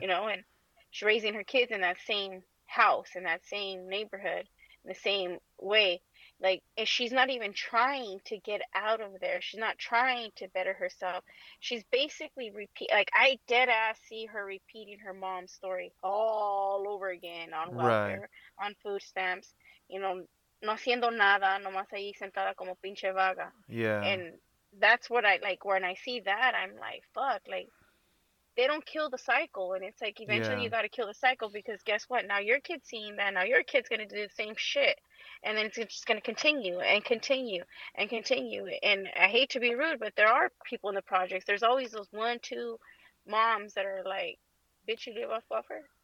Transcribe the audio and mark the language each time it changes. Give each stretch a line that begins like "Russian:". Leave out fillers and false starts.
English: You know, and she's raising her kids in that same house, in that same neighborhood, in the same way. Like, and she's not even trying to get out of there. She's not trying to better herself. She's basically repeat. Like, I dead ass see her repeating her mom's story all over again on welfare, right. On food stamps.
Spanish: You know, no haciendo nada, nomás ahí sentada como pinche vaga.
English: Yeah. And that's what I like. When I see that, I'm like, fuck. Like, they don't kill the cycle, and it's like eventually you got to kill the cycle because guess what? Now your kid's seeing that. Now your kid's gonna do the same shit. And then it's just going to continue and continue and continue. And I hate to be rude, but there are people in the projects. There's always those one, two moms that are like, bitch, you live off welfare?